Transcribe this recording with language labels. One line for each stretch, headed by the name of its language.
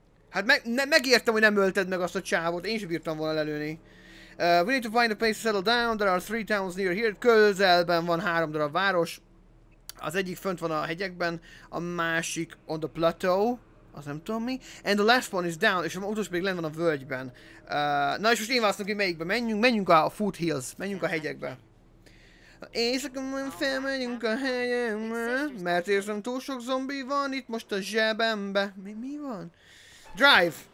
Hungarian: Hát megértem, hogy nem ölted meg azt a csávot, én sem bírtam volna lelőni.
English: We need to find a place to settle down, there are three towns near here.
Hungarian: Közelben van három darab város. Az egyik fönt van a hegyekben, a másik
English: on the plateau.
Hungarian: Az nem tudom mi.
English: And the last one is down,
Hungarian: és a utolsó pedig lenn van a völgyben. Na és most én választom, hogy melyikbe menjünk. Menjünk a foothills, menjünk a hegyekbe. Éjszakon felmegyünk a hegyekbe, mert érzem túl sok zombi van itt most a zsebembe. Mi van? Drive!